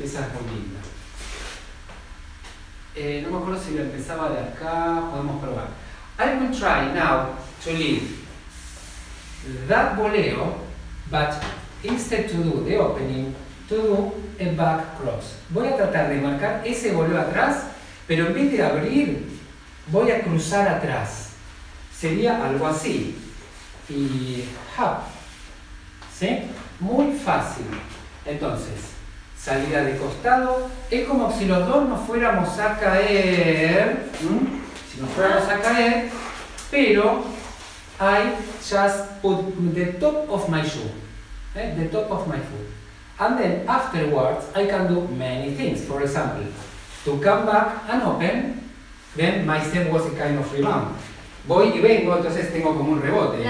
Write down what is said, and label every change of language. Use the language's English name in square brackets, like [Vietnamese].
[Spanish] Esa es muy linda. No me acuerdo si lo empezaba de acá, podemos probar. [English] I will try now to leave that voleo, but instead to do the opening, to do a back cross. [Spanish] Voy a tratar de marcar ese voleo atrás, pero en vez de abrir, voy a cruzar atrás. Sería algo así. Y hop. ¿Sí? Muy fácil. Entonces, salida de costado, es como si los dos nos fuéramos a caer, [English] si nos fuéramos a caer, pero I just put the top of my shoe, the top of my foot, and then afterwards I can do many things, for example, to come back and open, then my step was a kind of rebound, [Spanish] voy y vengo, entonces tengo como un rebote,